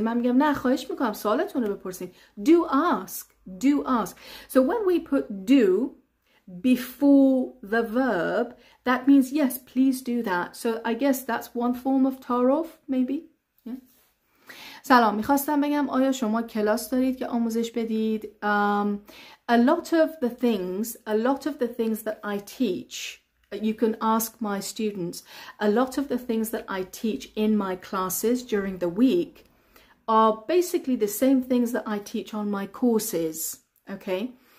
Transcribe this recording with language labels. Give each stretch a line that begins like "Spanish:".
Persian: من میگم نه, خواهش میکنم سوالتون رو بپرسین.
English: Do ask. Do ask. So when we put do before the verb, that means yes, please do that. So I guess that's one form of تعارف, maybe.
Persian: سلام, میخواستم بگم آیا شما کلاس دارید که آموزش بدید؟
English: A lot of the things that I teach, you can ask my students, a lot of the things that I teach in my classes during the week are basically the same things that I teach on my courses, okay?